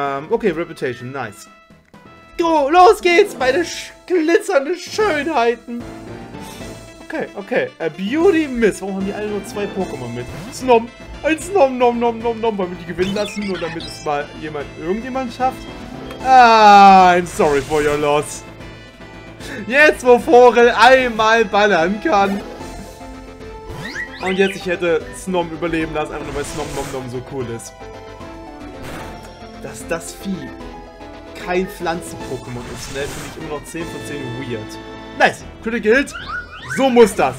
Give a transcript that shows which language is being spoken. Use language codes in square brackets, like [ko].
[de] Okay, Reputation, nice. Go, los geht's, meine glitzernden Schönheiten! Okay, okay. Beauty Miss. Warum haben die alle nur zwei Pokémon mit? Snom. Ein Snom, Nom, Nom, Nom, Nom. Wollen wir die gewinnen lassen? Nur damit es mal jemand, irgendjemand schafft? [en] Ah, I'm sorry for your loss. [de] Jetzt, wo Forel einmal ballern kann. Und jetzt, ich hätte Snom überleben lassen, einfach nur weil Snom, Nom, Nom so cool ist. Dass das Vieh kein Pflanzen-Pokémon ist, ne? Finde ich immer noch 10 von 10 weird. Nice, Critical Hit. So muss das.